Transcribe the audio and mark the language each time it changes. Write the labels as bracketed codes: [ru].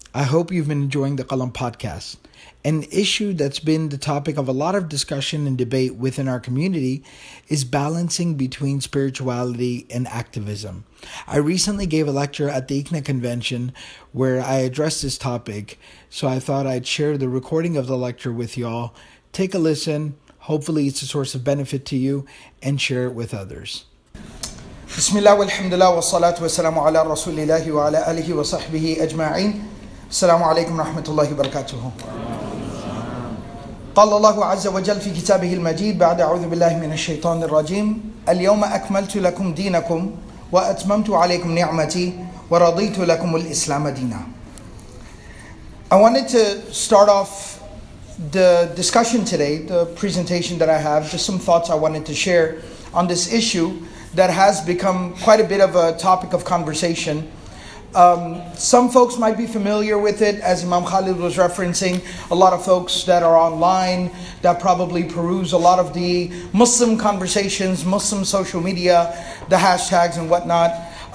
[en] I hope you've been enjoying the Qalam podcast. An issue that's been the topic of a lot of discussion and debate within our community is balancing between spirituality and activism. I recently gave a lecture at the ICNA convention where I addressed this topic, so I thought I'd share the recording of the lecture with y'all. Take a listen. Hopefully it's a source of benefit to you, and share it with others. [ar] بسم الله والحمد لله والصلاة والسلام على رسول الله وعلى آله وصحبه أجمعين السلام عليكم ورحمة الله وبركاته قال الله عز وجل في كتابه المجيد بعد أعوذ بالله من الشيطان الرجيم اليوم أكملت لكم دينكم وأتممت عليكم نعمتي ورضيت لكم الإسلام دينا. [en] I wanted to start off the discussion today, the presentation that I have, just some thoughts I wanted to share on this issue that has become quite a bit of a topic of conversation. Some folks might be familiar with it, as Imam Khalid was referencing, a lot of folks that are online that probably peruse a lot of the Muslim conversations, Muslim social media, the hashtags and whatnot.